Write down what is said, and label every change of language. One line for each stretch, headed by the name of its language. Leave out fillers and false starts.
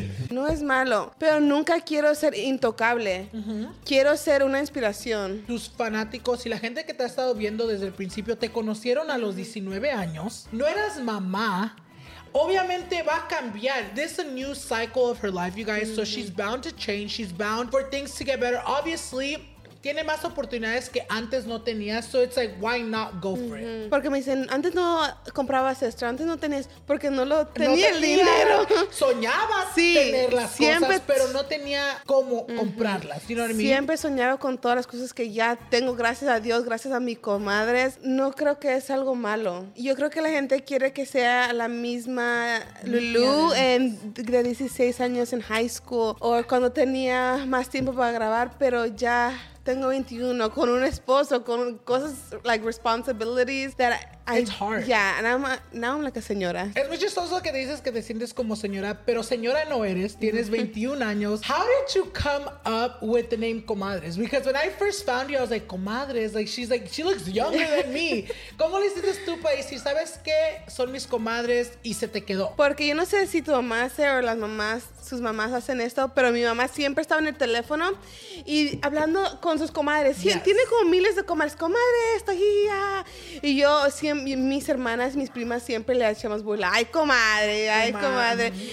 Spanish: no es malo, pero nunca quiero ser intocable. Quiero ser una inspiración. Tus fanáticos y la gente que te ha estado viendo desde el principio te conocieron a los 19 años. No eras mamá. Obviamente va a cambiar.
English: This is a new cycle of her life, you guys. So she's bound to change. She's bound for things to get better.
Spanish: Obviously, tiene más oportunidades que antes no tenías.
English: So it's like, why not go for it?
Spanish: Porque me dicen, antes no comprabas esto, antes no tenías, porque no lo tenía, no el tenía dinero. Soñaba sí, tener las siempre cosas, pero no tenía cómo comprarlas.
English: You know what I mean?
Spanish: Siempre soñaba con todas las cosas que ya tengo, gracias a Dios, gracias a mis comadres. No creo que es algo malo. Yo creo que la gente quiere que sea la misma Lulu de 16 años en high school o cuando tenía más tiempo para grabar, pero ya tengo 21, con un esposo, con cosas
English: like responsibilities that it's hard. Yeah, and now I'm like a señora.
Spanish: Es muy chistoso que dices que te sientes como señora, pero señora no eres, tienes 21 años.
English: How did you come up with the name Comadres? Because when I first found you, I was like, Comadres, like, she's like, she looks younger than me.
Spanish: ¿Cómo le dices tú para decir, sabes qué, son mis comadres y se te quedó? Porque yo no sé si tu mamá hace o las mamás, sus mamás hacen esto, pero mi mamá siempre estaba en el teléfono y hablando con sus comadres. Yes. Tiene como miles de comadres. Comadre, estoy aquí. Y yo, mis hermanas, mis primas siempre le echamos burla. ¡Ay, comadre! ¡Ay, comadre!